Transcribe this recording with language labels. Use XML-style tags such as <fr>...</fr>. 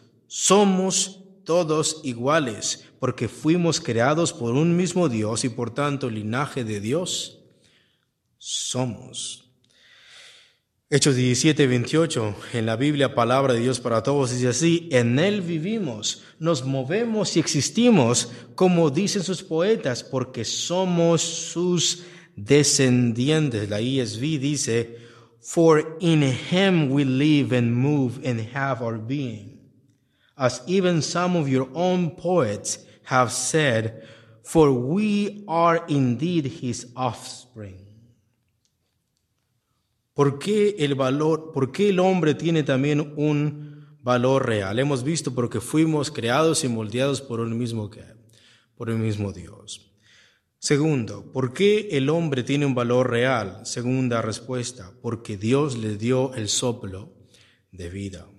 <es>Somos todos iguales porque fuimos creados por un mismo Dios y por tanto linaje de Dios somos. Hechos 17:28, en la Biblia, palabra de Dios para todos, dice así: en él vivimos, nos movemos y existimos, como dicen sus poetas, porque somos sus descendientes. La ESV dice:</es> <en>for in him we live and move and have our being. As even some of your own poets have said, for we are indeed his offspring.</en> <es>¿Por qué el hombre tiene también un valor real? Hemos visto porque fuimos creados y moldeados por un mismo Dios. Segundo, ¿por qué el hombre tiene un valor real? Segunda respuesta, porque Dios le dio el soplo de vida.</es>